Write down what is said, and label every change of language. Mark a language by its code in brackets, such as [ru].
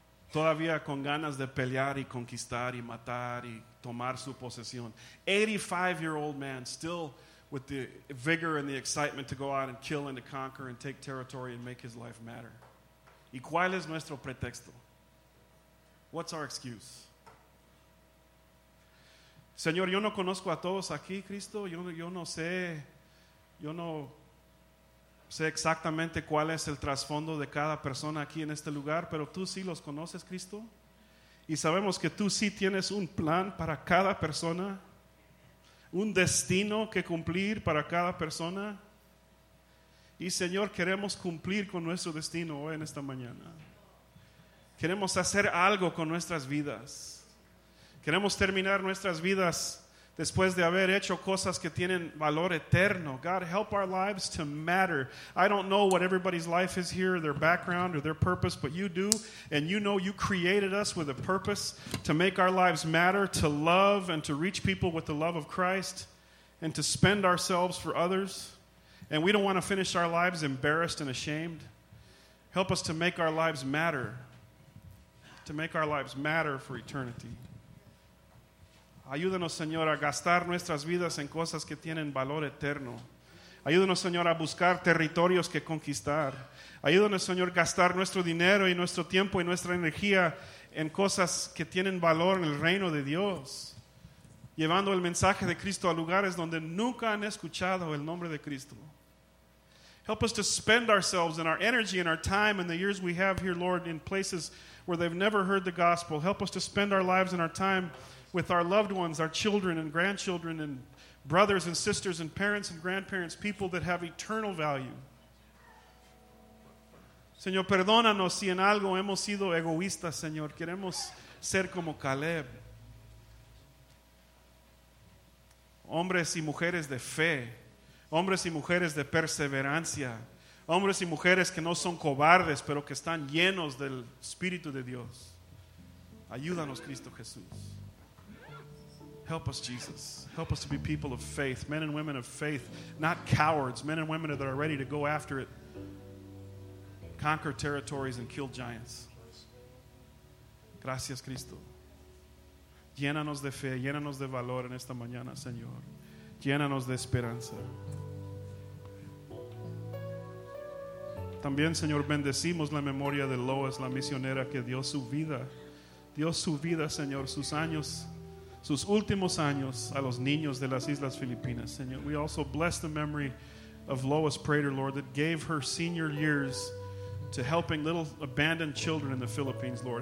[es] Todavía con ganas de pelear y conquistar y matar y tomar su posesión. [en] 85-year-old man, still with the vigor and the excitement to go out and kill and to conquer and take territory and make his life matter. [es] ¿Y cuál es nuestro pretexto? [en] What's our excuse? [es] Señor, yo no conozco a todos aquí, Cristo. Yo no sé exactamente cuál es el trasfondo de cada persona aquí en este lugar, pero tú sí los conoces, Cristo. Y sabemos que tú sí tienes un plan para cada persona, un destino que cumplir para cada persona. Y Señor, queremos cumplir con nuestro destino hoy en esta mañana. Queremos hacer algo con nuestras vidas. Queremos terminar nuestras vidas después de haber hecho cosas que tienen valor eterno. [en] God, help our lives to matter. I don't know what everybody's life is here, their background or their purpose, but you do. And you know you created us with a purpose to make our lives matter, to love and to reach people with the love of Christ and to spend ourselves for others. And we don't want to finish our lives embarrassed and ashamed. Help us to make our lives matter, to make our lives matter for eternity. [es] Ayúdanos, Señor, a gastar nuestras vidas en cosas que tienen valor eterno. Ayúdanos, Señor, a buscar territorios que conquistar. Ayúdanos, Señor, a gastar nuestro dinero y nuestro tiempo y nuestra energía en cosas que tienen valor en el reino de Dios. Llevando el mensaje de Cristo a lugares donde nunca han escuchado el nombre de Cristo. [en] Help us to spend ourselves and our energy and our time and the years we have here, Lord, in places where they've never heard the gospel. Help us to spend our lives and our time with our loved ones, our children and grandchildren and brothers and sisters and parents and grandparents, people that have eternal value. [es] Señor, perdónanos si en algo hemos sido egoístas, Señor. Queremos ser como Caleb. Hombres y mujeres de fe. Hombres y mujeres de perseverancia. Hombres y mujeres que no son cobardes, pero que están llenos del Espíritu de Dios. Ayúdanos, Cristo Jesús. [en] Help us, Jesus. Help us to be people of faith, men and women of faith, not cowards, men and women that are ready to go after it, conquer territories and kill giants. [es] Gracias, Cristo. Llénanos de fe, llénanos de valor en esta mañana, Señor. Llénanos de esperanza. También, Señor, bendecimos la memoria de Lois, la misionera que dio su vida, Señor, sus años, sus últimos años a los niños de las Islas Filipinas, Señor. [en] We also bless the memory of Lois Prater, Lord, that gave her senior years to helping little abandoned children in the Philippines, Lord.